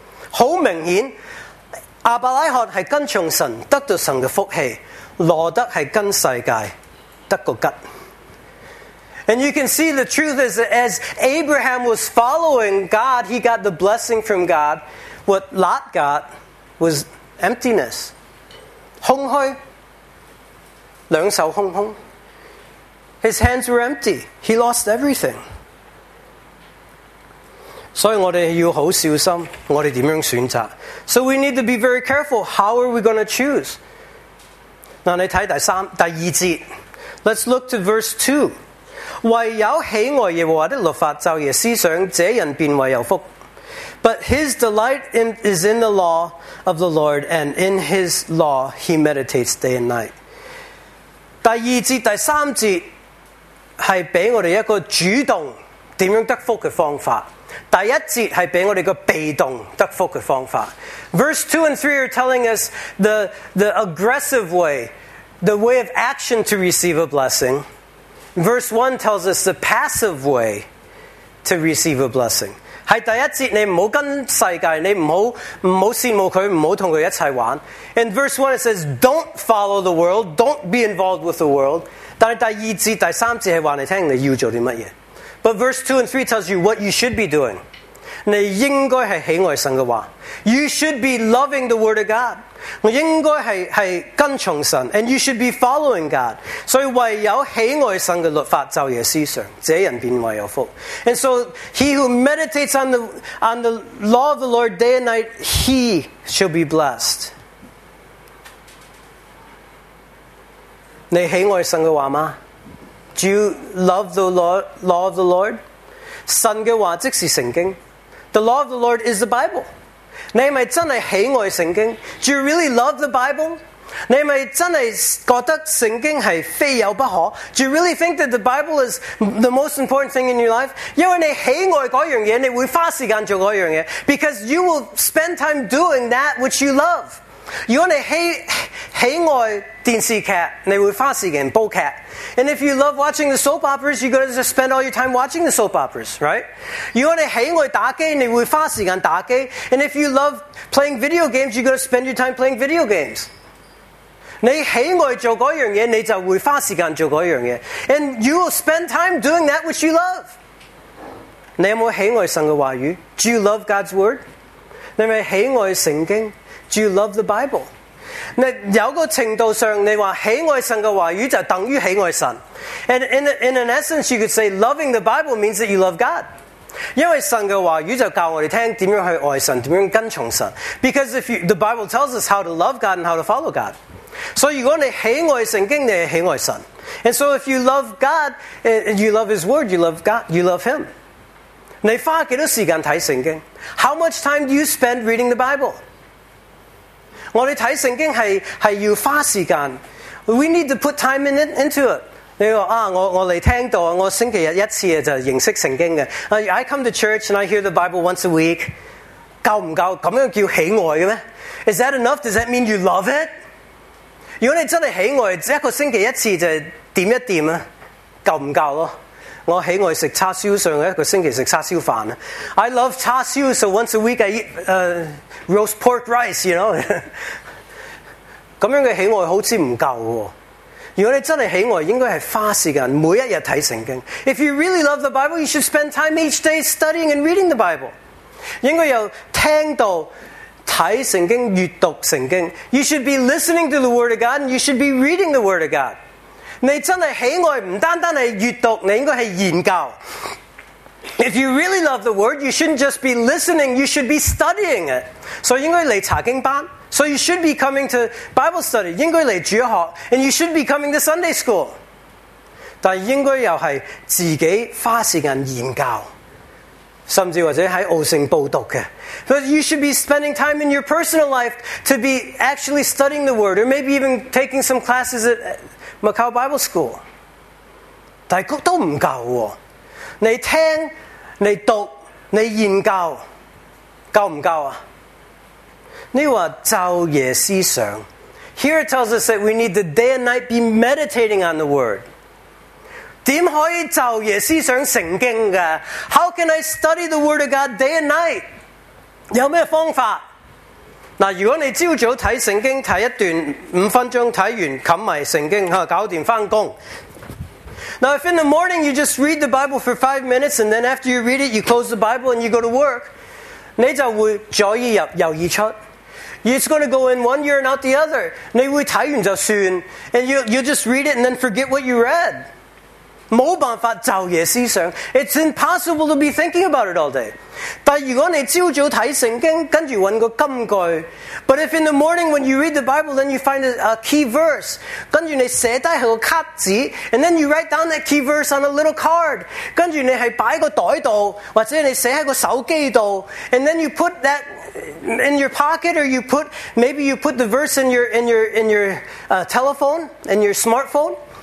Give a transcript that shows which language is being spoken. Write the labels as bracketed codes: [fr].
[yue] 好明显，亚伯拉罕系跟从神得到神嘅福气，罗德系跟世界得个吉。 [en] And you can see the truth is that as Abraham was following God, he got the blessing from God. What Lot got? Was emptiness, [yue] 空虚，两手空空。 [en] His hands were empty. He lost everything. [yue] 所以我哋要好小心，我哋点样选择 [en] ？So we need to be very careful. How are we going to choose? [yue] 嗱，你睇第二节。 [en] Let's look to verse 2. [yue] 唯有喜爱耶和华的律法，昼夜思想，这人便为有福。 [en] But his delight is in the law of the Lord, and in his law he meditates day and night. [yue] 第二节、第三节系俾我哋一个主动点样得福嘅方法。第一节系俾我哋个被动得福嘅方法。 [en] Verse 2 and 3 are telling us the aggressive way, the way of action to receive a blessing. Verse 1 tells us the passive way to receive a blessing. [yue] 在第一节，你唔好跟世界，你唔好羡慕佢，唔好同佢一齐玩。 [en] In verse 1 it says, "Don't follow the world, don't be involved with the world." [yue] 但系第二节、第三节系话你听，你要做啲乜嘢 [en] ？But verse 2 and 3 tells you what you should be doing. [yue] 你应该系喜爱神嘅话。 [en] You should be loving the word of God. [yue] 我应该系跟从神 [en] ，and you should be following God. [yue] 所以唯有喜爱神嘅律法，昼夜思想，这人便为有福。 [en] And so he who meditates on the law of the Lord day and night, he shall be blessed. [yue] 你喜爱神的话吗？ [en] Do you love the law of the Lord? [yue] 神的话即是圣经。 [en] The law of the Lord is the Bible. [yue] 你是不是真的喜爱圣经？ [en] Do you really love the Bible? [yue] 你是不是真的觉得圣经是非有不可？ [en] Do you really think that the Bible is the most important thing in your life? [yue] 因为你喜爱那样东西，你会花时间做那样东西。 [en] Because you will spend time doing that which you love. [yue] 如果你喜爱电视剧，你会花时间煲剧。 [en] And if you love watching the soap operas, you're going to just spend all your time watching the soap operas, right? [yue] 如果你喜爱打机，你会花时间打机。 [en] And if you love playing video games, you're going to spend your time playing video games. [yue] 你喜爱做嗰样嘢，你就会花时间做嗰样嘢。 [en] And you will spend time doing that which you love. [yue] 你有冇喜爱神嘅话语？ [en] Do you love God's word? [yue] 你咪喜爱圣经？ [en] Do you love the Bible? [yue] 那有个程度上，你话喜爱神嘅话语就等于喜爱神。 [en] And in an essence, you could say loving the Bible means that you love God. [yue] 因为神的话语就教我们听怎样去爱神，怎样跟从神。 [en] Because if you, the Bible tells us how to love God and how to follow God. [yue] So 如果你喜爱圣经，你喜爱神。 [en] And so if you love God, you love His word, you love God, you love Him. [yue] 你花多少时间看圣经？ [en] How much time do you spend reading the Bible? [yue] 我们看圣经 是要花时间。 [en] We need to put time into it. [yue] 你说啊，我来听到，我星期日一次就认识圣经的。 [en] I come to church and I hear the Bible once a week. [yue] 够不够？这样叫喜爱的吗？ [en] Is that enough? Does that mean you love it? [yue] 如果你真的喜爱，一个星期一次就点一点，够不够咯？我喜爱吃叉烧，上一个星期吃叉烧饭。 [en] I love 叉烧， so once a week I eat roast pork rice, you know. [yue] 这样的喜爱好像不够。如果你真的喜爱，应该是花时间每一天看圣经。 [en] If you really love the Bible, you should spend time each day studying and reading the Bible. [yue] 应该有听到看圣经，阅读圣经。 [en] You should be listening to the Word of God and you should be reading the Word of God. [yue] 你真的喜爱，不单单是阅读，你应该是研究。 [en] If you really love the Word, you shouldn't just be listening, you should be studying it. [yue] 所以应该来查经班。 [en] So you should be coming to Bible study, [yue] 应该来主学， [en] and you should be coming to Sunday school. [yue] 但应该又是自己花时间研究，甚至或者在奥圣报读的。 [en] But you should be spending time in your personal life to be actually studying the word, or maybe even taking some classes at Macau Bible school. [yue] 但都不够哦，你听，你读，你研究，够不够啊？你说昼夜思想。 [en] Here it tells us that we need to day and night be meditating on the word. [yue] 怎可以昼夜思想圣经的？ [en] How can I study the word of God day and night? [yue] 有什么方法？那如果你朝早看圣经，看一段五分钟，看完盖埋圣经，搞定翻工。 [en] Now if in the morning you just read the Bible for 5 minutes and then after you read it you close the Bible and you go to work, [yue] 你就会左耳入右耳出。 [en] It's going to go in one ear and out the other. [yue] 你会看完就算， [en] and you'll just read it and then forget what you read. [yue] 没办法昼夜思想。 [en] It's impossible to be thinking about it all day. [yue] 但如果你朝早看圣经，跟着找个金句。 [en] But if in the morning when you read the Bible, then you find a key verse, [yue] 跟着你写下一个卡纸， [en] and then you write down that key verse on a little card, [yue] 跟着你放在个袋子，或者你写在个手机里， [en] and then you put thatin your pocket, or maybe you put the verse in your telephone, in your smartphone.